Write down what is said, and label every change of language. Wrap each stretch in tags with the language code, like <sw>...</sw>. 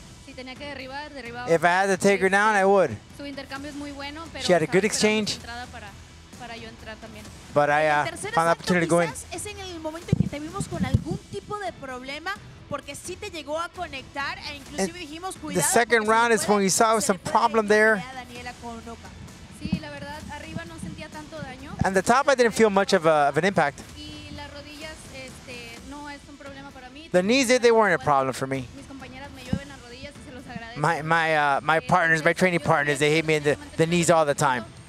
<en>If I had to take her down, I would. She had a good exchange. But I found the opportunity to go in.</en> <es>Es en el momento en que te vimos con algún tipo de problema, porque sí te llegó a conectar e inclusive and dijimos cuidado.</es> <en>The second round is when we saw some problem there.</en> <es>Sí, la verdad, arriba no sentía tanto daño.</es> <en>And the top, I didn't feel much of an impact.</en> <es>Y las rodillas, no es un problema para mí.</es> <en>The knees, they weren't a problem for me.</en> <es>Mis compañeras me llueven las rodillas y se los agradezco.</es> <en>My partners, my training partners, they hit me in the knees all the time.</en>